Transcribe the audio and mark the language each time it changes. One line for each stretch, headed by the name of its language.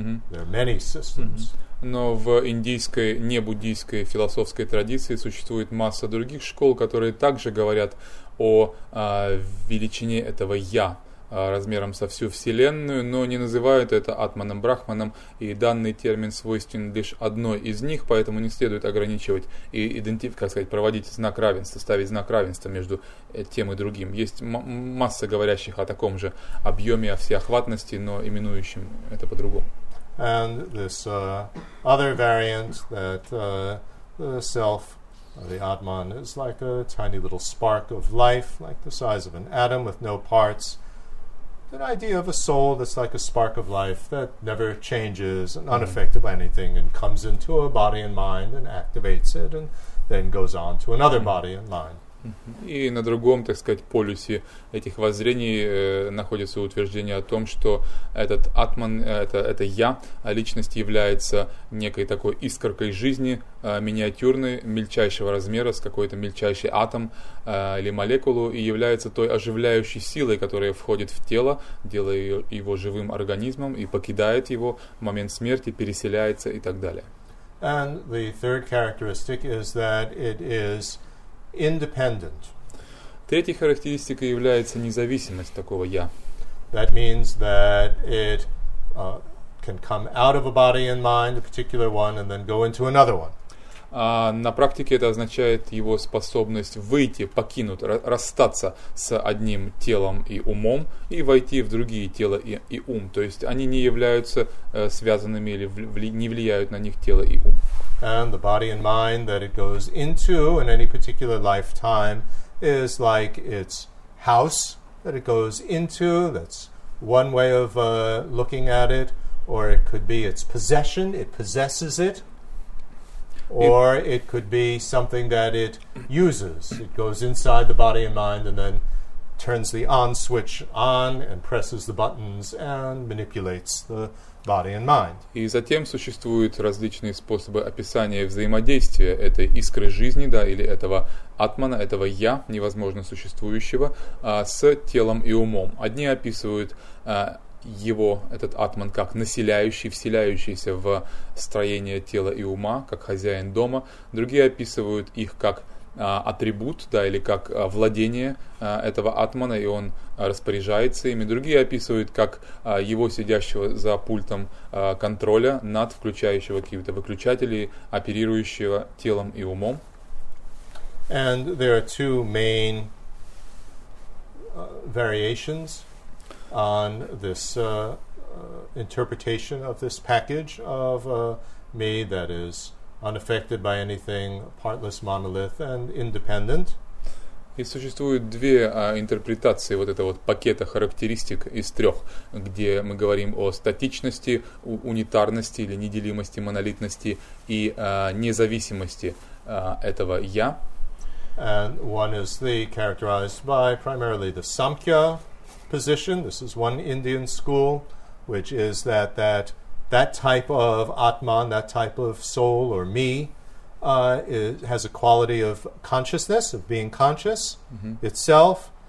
English: There are many systems.
Russian: Но в индийской, небуддийской философской традиции существует масса других школ, которые также говорят о величине этого «я», размером со всю Вселенную, но не называют это атманом, брахманом, и данный термин свойственен лишь одной из них, поэтому не следует ограничивать и как сказать, проводить знак равенства, ставить знак равенства между тем и другим. Есть масса говорящих о таком же объеме, о всеохватности, но именующем это по-другому.
English: And this other variant that the self, the atman, is like a tiny little spark of life, like the size of an atom with no parts. An idea of a soul that's like a spark of life that never changes and unaffected by anything and comes into a body and mind and activates it and then goes on to another body and mind.
Russian: И на другом, так сказать, полюсе этих воззрений находится утверждение о том, что этот атман, это я, личность является некой такой искоркой жизни, миниатюрной, мельчайшего размера, с какой-то мельчайший атом или молекулу, и является той оживляющей силой, которая входит в тело, делая его живым организмом, и покидает его в момент смерти, переселяется и так далее.
English: And the third characteristic is that it is independent.
Russian: Третьей характеристикой является независимость такого я.
English: That means that it can come out of a body and mind, a particular one, and then go into another one.
Russian: На практике это означает его способность выйти, покинуть, расстаться с одним телом и умом и войти в другие тело и ум. То есть они не являются связанными или не влияют на них тело и ум.
English: And the body and mind that it goes into in any particular lifetime is like its house that it goes into. That's one way of looking at it. Or it could be its possession. It possesses it. Or it could be something that it uses. It goes inside the body and mind and then turns the on switch on and presses the buttons and manipulates the body and mind.
Russian: И затем существуют различные способы описания взаимодействия этой искры жизни, да, или этого атмана, этого я, невозможно существующего, с телом и умом. Одни описывают его, этот атман, как населяющий, вселяющийся в строение тела и ума, как хозяин дома. Другие описывают их как атрибут, да, или как владение этого атмана, и он распоряжается ими. Другие описывают как его сидящего за пультом контроля над включающего какие-то выключатели, оперирующего телом и умом.
English: And there are two main variations on this interpretation of this package of me that is unaffected by anything, partless monolith and independent.
Russian: И существует две интерпретации вот этого вот пакета характеристик из трех, где мы говорим о статичности, унитарности или неделимости, монолитности и независимости этого я.
English: And one is the characterized by primarily the Samkhya position. This is one Indian school, which is that type of Atman, that type of soul or me, has a quality of consciousness, of being conscious itself.